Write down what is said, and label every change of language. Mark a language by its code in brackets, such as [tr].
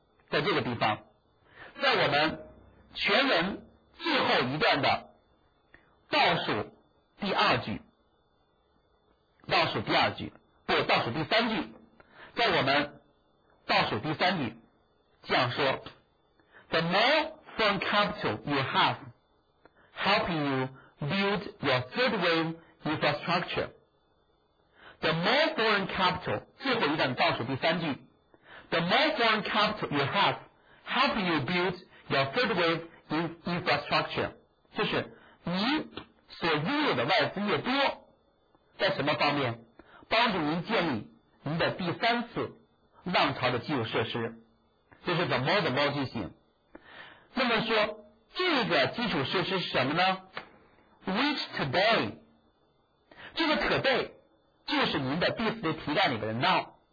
[zh] 在这个地方，在我们全文最后一段的倒数第二句，倒数第二句，不，倒数第三句，在我们倒数第三句这样说， [en] The more firm capital you have helping you build your third wave infrastructure. The more foreign capital, [zh] 最后一段倒数第三句， [en] The more foreign capital you have helping you build your third wave infrastructure. [zh] 就是你所拥有的外资越多，在什么方面帮助您建立您的第三次浪潮的基础设施，这是 the more 句型。那么说这个基础设施是什么呢？ [en] Which today， [zh] 这个 today 就是您的第四的题干里面的 now。